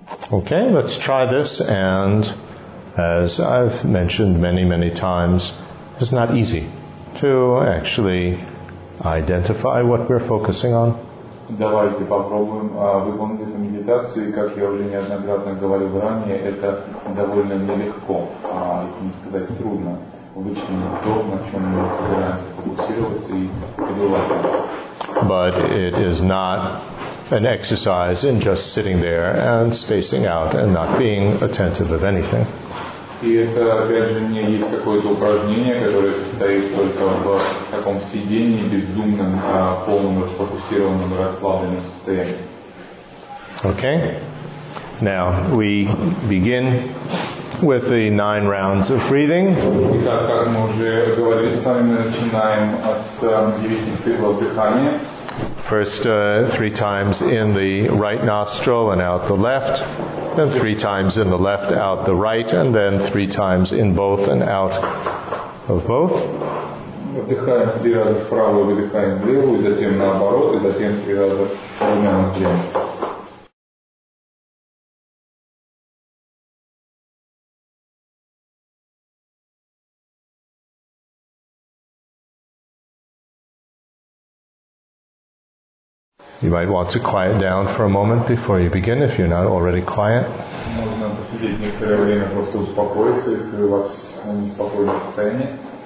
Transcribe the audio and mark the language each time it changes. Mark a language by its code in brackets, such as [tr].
[en] Okay, let's try this, and as I've mentioned many, many times, it's not easy to actually identify what we're focusing on. [ru] Давайте попробуем выполнить эту медитацию, и как я уже неоднократно говорил ранее, это довольно нелегко, если не сказать трудно, вычленить то, на чем мы собираемся фокусироваться и пребывать. [en] But it is not an exercise in just sitting there and spacing out and not being attentive of anything. [ru] И это, опять же, не есть какое-то упражнение, которое состоит только в таком сидении, бездумном, полном, расфокусированном, расслабленном состоянии. [en] Okay. Now, we begin with the 9 rounds of breathing. [ru] Итак, как мы уже говорили с вами, мы начинаем с 9 циклов дыхания. [en] First, 3 times in the right nostril and out the left. Then 3 times in the left, out the right, and then 3 times in both and out of both. [ru] Вдыхаем 3 раза вправо, выдыхаем влево, и затем наоборот, и затем 3 раза вправо на влево. [en] You might want to quiet down for a moment before you begin if you're not already quiet. [ru] Можно посидеть некоторое время, просто успокоиться, если у вас неспокойное состояние.